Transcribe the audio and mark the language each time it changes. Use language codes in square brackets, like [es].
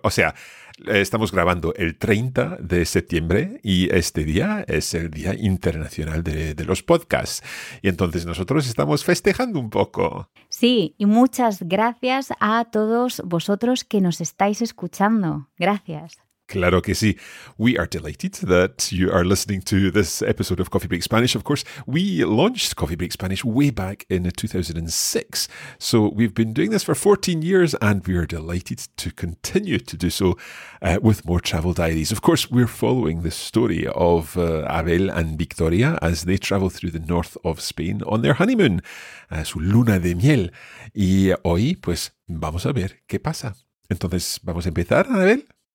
[es] O sea, estamos grabando el 30 de septiembre y este día es el Día Internacional de los Podcasts. Y entonces nosotros estamos festejando un poco. Sí, y muchas gracias a todos vosotros que nos estáis escuchando. Gracias. Claro que sí. [en] We are delighted that you are listening to this episode of Coffee Break Spanish. Of course, we launched Coffee Break Spanish way back in 2006. So we've been doing this for 14 years and we are delighted to continue to do so with more travel diaries. Of course, we're following the story of Abel and Victoria as they travel through the north of Spain on their honeymoon, [es] su luna de miel. Y hoy, pues, vamos a ver qué pasa. Entonces, ¿vamos a empezar, Abel?